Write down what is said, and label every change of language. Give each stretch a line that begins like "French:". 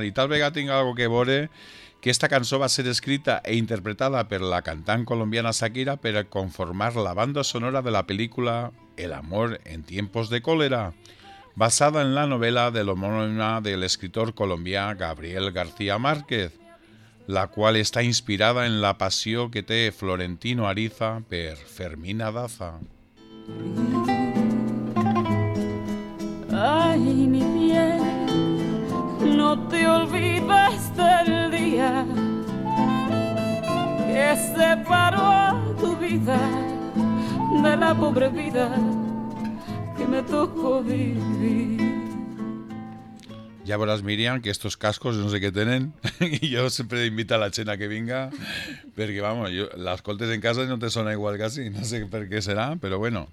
Catalan: I tal vegada tinc algo que veure que esta cançó va ser escrita e interpretada per la cantant colombiana Shakira per conformar la banda sonora de la pel·lícula El amor en tiempos de cólera, basada en la novel·la de l'homònima de l'escriptor colombià Gabriel García Márquez, la qual està inspirada en la passió que té Florentino Ariza per Fermina Daza.
Spanish: Ay, mi piel, no te olvides del día que separó a tu vida de la pobre vida que me tocó vivir.
Catalan: Ja veuràs, Miriam, que estos cascos no sé què tenen i jo sempre invito a la gent que vinga perquè, vamos, jo, les coltes en casa no te sona igual quasi, no sé per què serà, però bueno.